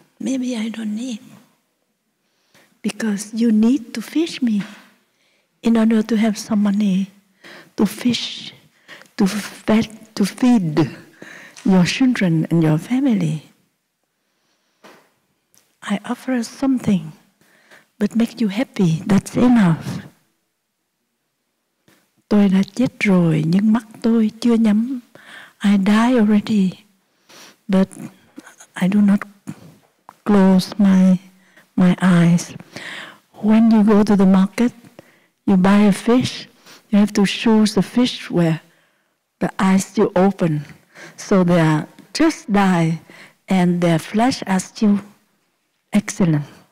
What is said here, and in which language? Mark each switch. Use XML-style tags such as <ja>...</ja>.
<en>Maybe I don't need. Because you need to fish me in order to have some money to fish, to feed your children and your family. I offer something, but make you happy, that's enough.</en> <vi>Tôi đã chết rồi, nhưng mắt tôi chưa nhắm.</vi> <en>I die already, but I do not close my eyes. When you go to the market, you buy a fish, you have to choose the fish where the eyes still open, so they are just die, and their flesh are still excellent.</en>